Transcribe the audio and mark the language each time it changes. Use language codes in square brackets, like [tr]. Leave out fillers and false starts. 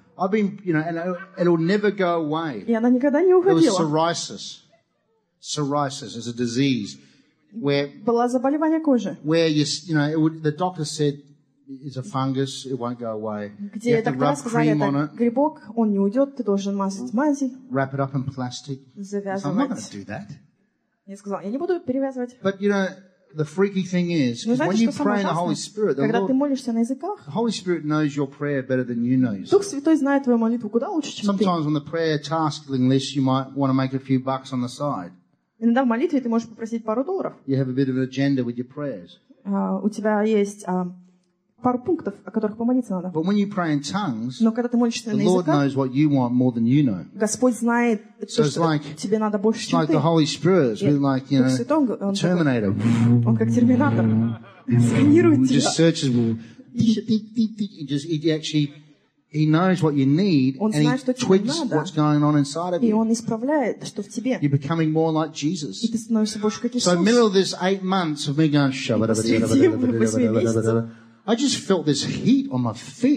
[en] I've been, you know, and it'll never go away. [ru] И она никогда не уходила. [en] It was psoriasis. Psoriasis is a disease where. [ru] Было заболевание кожи. [en] Where you know, the doctor said is a fungus, it won't go away. [ru] Где это сказали, это грибок, он не уйдет, ты должен мазать мази. [en] Wrap it up in plastic. [ru] Завязывать. [en] I'm not going to do that. [ru] Я сказал, я не буду перевязывать. [en] But you know, the freaky thing is, when you pray in the Holy Spirit, [ru] когда ты молишься на языках, [en] the Holy Spirit knows your prayer better than you know. [ru] Дух Святой знает твою молитву куда лучше, чем ты. [en] Sometimes on the prayer tasking list, you might want to make a few bucks on the side. [ru] Иногда в молитве ты можешь попросить пару долларов. [en] You have a bit of an agenda with your prayers. [ru] У тебя есть пару пунктов, о которых помолиться надо. [en] But when you pray in tongues, [ru] но когда ты молишься [en] the [ru] на [en] Lord [ru] языках, [en] knows what you want more than you know. [ru] Господь знает, [en] so [ru] то, что [en] like, [ru] тебе надо больше, чем ты. [en] It's like the Holy Spirit is really like, you know, [ru] Святом, [en] a Terminator. [ru] Он как терминатор. Сканирует тебя. [en] Just searches, he knows what you need, [ru] он [en] and [ru] знает, [en] he tweaks what's going on inside of you. [ru] И он исправляет, что в тебе. [en] You're becoming more like Jesus. [ru] И ты становишься больше, как Иисус. [en] So in the middle of this 8 months of me going, I just felt this heat on my feet.